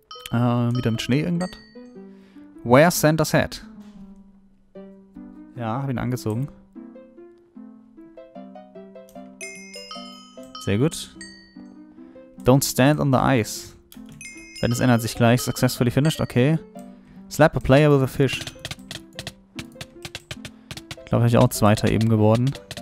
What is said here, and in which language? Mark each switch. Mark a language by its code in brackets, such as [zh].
[de] Wieder mit Schnee irgendwas? [en] Wear Santa's Hat. [de] Ja, hab ihn angezogen. Sehr gut. [en] Don't stand on the ice. [de] Wenn es ändert sich gleich. [en] Successfully finished. Okay. Slap a player with a fish. [de] Ich glaube, ich bin auch Zweiter eben geworden.